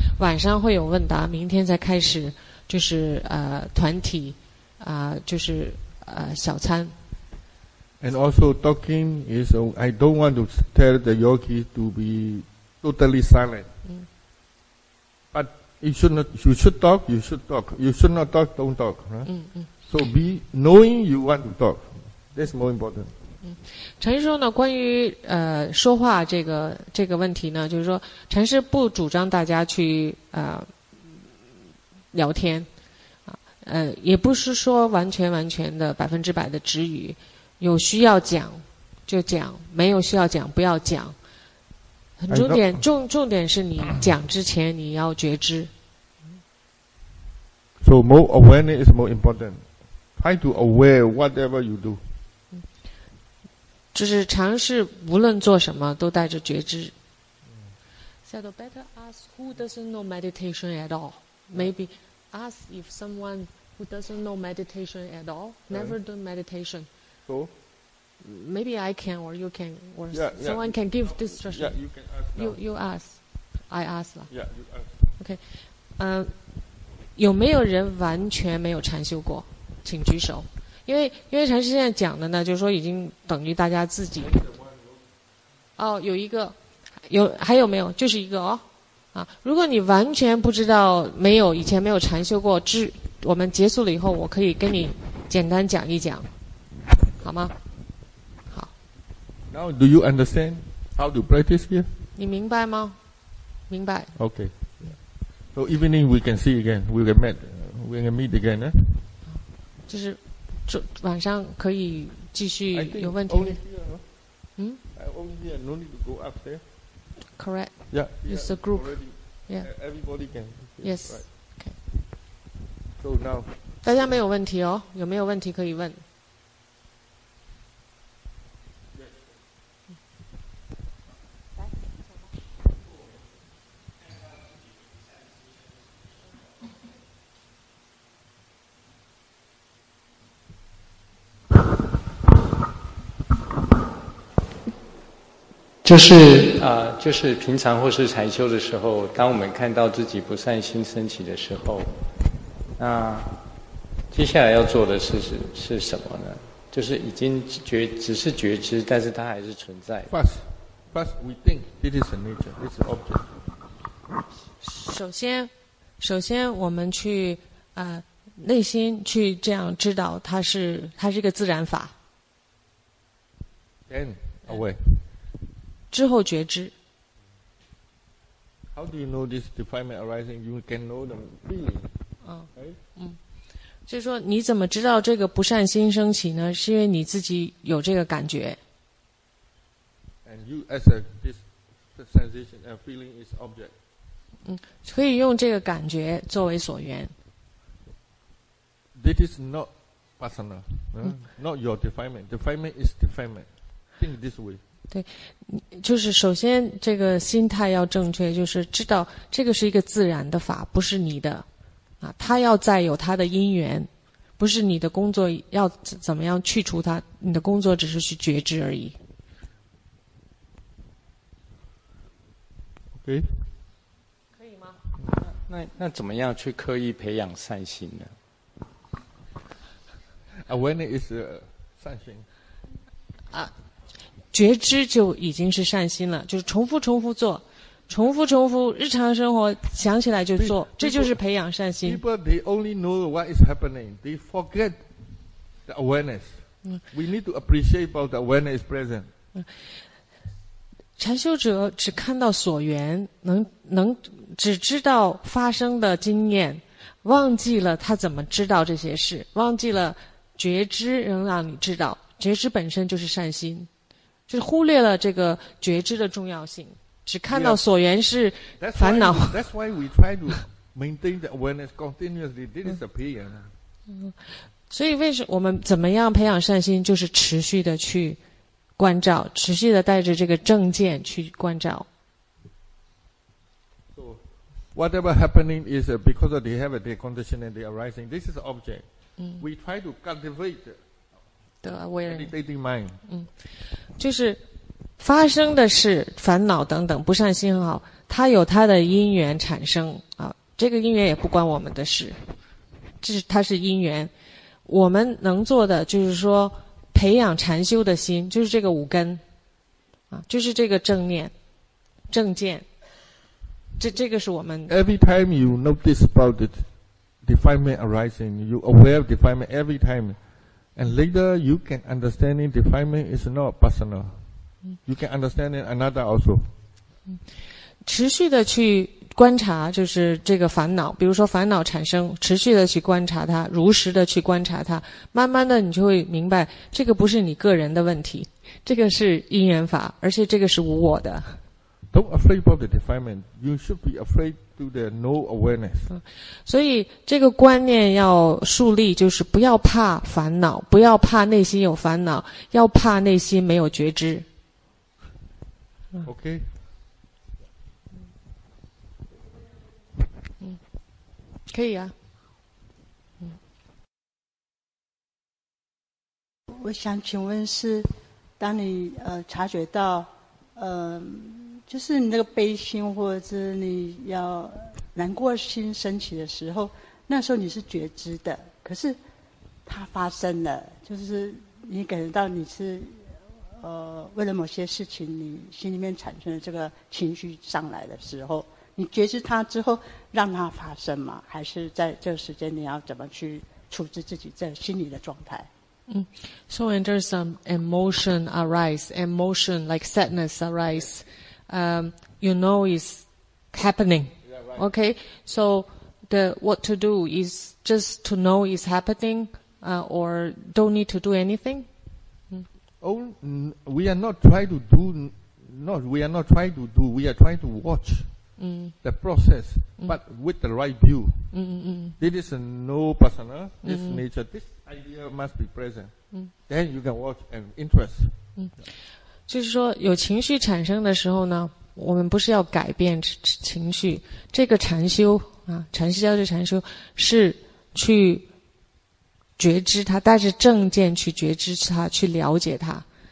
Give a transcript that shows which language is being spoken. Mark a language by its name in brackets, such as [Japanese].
[Chinese] 晚上会有问答，明天再开始，就是团体，就是小餐。 [English] And also talking is I don't want to tell the yogi to be totally silent. You should talk. You should not talk, don't talk. Huh? So be knowing you want to talk. That's more important. [Chinese] 禅师说呢，关于说话这个问题呢，就是说禅师不主张大家去聊天，也不是说完全的100%的止语，有需要讲就讲，没有需要讲不要讲。重点是你讲之前你要觉知。 [English] So more awareness is more important. Try to aware whatever you do. [Chinese] 就是尝试无论做什么都带着觉知。 [English] So better ask who doesn't know meditation at all. Maybe ask if someone who doesn't know meditation at all, never do meditation. So? Maybe I can or you can or someone can give this instruction. Yeah, you can ask. You ask. I ask. Yeah, you ask. Okay. [Chinese] 有没有人完全没有禅修过？请举手。因为禅师现在讲的呢，就是说已经等于大家自己。哦，有一个，还有没有？就是一个哦。啊，如果你完全不知道，没有以前没有禅修过，我们结束了以后，我可以跟你简单讲一讲，好吗？好。 [English] Now do you understand how to practice here? [Chinese] 你明白吗？明白。 [English] Okay. So evening we can see again, we can meet again, eh? [Chinese] 就是晚上可以继续有问题。 [English] I only here, no need to go up there. Correct. Yeah. It's a group. Yeah. Everybody can. Yes. Right. Okay. So now. [Chinese] 大家没有问题哦，有没有问题可以问？就是平常或是禅修的时候，当我们看到自己不善心升起的时候，那接下来要做的是什么呢？就是已经只是觉知，但是它还是存在的。 [English] First, we think it is a nature, it's an object. [Chinese] 首先我们去内心去这样知道它是一个自然法。 [English] Then away. [Chinese] 之后觉知。 [English] How do you know this defilement arising? You can know the feeling. [Chinese] 就是说，你怎么知道这个不善心升起呢？是因为你自己有这个感觉。 [English] And you as a this sensation and feeling is object. [Chinese] 嗯，可以用这个感觉作为所缘。 [English] This is not personal, not your defilement. Defilement is defilement. Think this way. [Chinese] 对，就是首先这个心态要正确，就是知道这个是一个自然的法，不是你的。啊，它要再有它的因缘，不是你的工作要怎么样去除它，你的工作只是去觉知而已。 [English] OK。 [Chinese] 那怎么样去刻意培养善心呢 [English] ？Awareness is 善心。 [Chinese] 啊，觉知就已经是善心了，就是重复重复做，重复重复日常生活想起来就做， [English] people, [Chinese] 这就是培养善心。 [English] People they only know what is happening, they forget the awareness.、嗯、 We need to appreciate about the awareness present.、 [Chinese] 嗯禅修者只看到所缘，能只知道发生的经验，忘记了他怎么知道这些事，忘记了觉知能让你知道，觉知本身就是善心，就是忽略了这个觉知的重要性，只看到所缘是烦恼。 [English] Yeah, that's why we try to maintain the awareness continuously. This is the prayer. [Chinese] 所以为什么我们怎么样培养善心，就是持续的去。关照，持续的带着这个正见去关照。 [English] So, whatever happening is because they have their condition and they arising. This is the object.、嗯、 We try to cultivate the aware meditating mind.、 [Chinese] 嗯、就是发生的是烦恼等等不善心很好，它有它的因缘产生啊，这个因缘也不关我们的事，这是它是因缘。我们能做的就是说。培养禅修的心就是这个五根啊，就是这个正念正见，这个是我们 [English] Every time you notice about the defilement arising, you aware of defilement every time, and later you can understand it, defilement is not personal, you can understand it another also. [Chinese] 持续的去观察就是这个烦恼，比如说烦恼产生，持续的去观察它，如实的去观察它，慢慢的你就会明白，这个不是你个人的问题，这个是因缘法，而且这个是无我的。 [English] Don't afraid about the defilement. You should be afraid to the no awareness. [Chinese] 所以这个观念要树立，就是不要怕烦恼，不要怕内心有烦恼，要怕内心没有觉知。 [English] Okay. [Chinese] 可以啊、嗯、我想请问是当你察觉到就是你那个悲心或者是你要难过心升起的时候，那时候你是觉知的，可是它发生了，就是你感觉到你是为了某些事情你心里面产生了这个情绪上来的时候，你觉知它之后让它发生吗？还是在这个时间你要怎么去处置自己在心理的状态？ [English] 嗯 ，So when there's some emotion arise, emotion like sadness arise, you know is happening. Yeah,、right. Okay, so the what to do is just to know is happening, or don't need to do anything.、 Mm. Oh, we are not trying to do. Not we are not trying to do. We are trying to watch. The process, but with the right view. This is no personal, this nature, this idea must be present. Then you can watch and interest. [Chinese] 就是说有情绪产生的时候呢，我们不是要改变情绪，这个禅修啊，禅修叫做禅修，是去觉知它，带着正见去觉知它，去了解它。